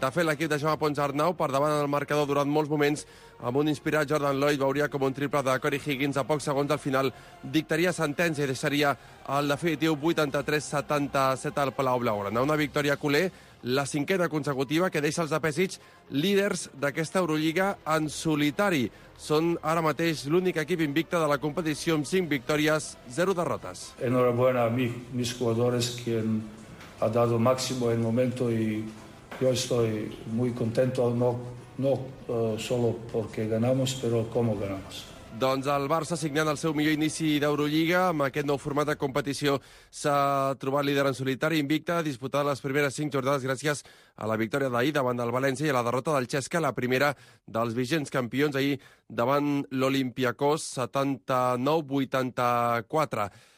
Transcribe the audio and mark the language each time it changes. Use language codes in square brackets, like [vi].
[ca] De fet, l'equip de Jaume Pons Arnau, per davant del marcador durant molts moments, amb un inspirat Jordan Lloyd, veuria com un triple de Corey Higgins a pocs segons al final dictaria sentència i deixaria el definitiu 83-77 al Palau Blaugrana. Una victòria culer, la cinquena consecutiva, que deixa els de Pesic líders d'aquesta Eurolliga en solitari. Són ara mateix l'únic equip invicte de la competició amb 5 victòries, 0 derrotes. [es] Enhorabuena a mí, mis jugadores, quien ha dado máximo en momento y yo estoy muy contento, no solo porque ganamos, pero cómo ganamos. [ca] Doncs el Barça, signant el seu millor inici d'Eurolliga, amb aquest nou format de competició, s'ha trobat líder en solitari, invicte, disputat les primeres 5 jornades gràcies a la victòria d'ahir davant del València i a la derrota del Xesca, la primera dels vigents campions ahir davant l'Olympiacos, 79-84.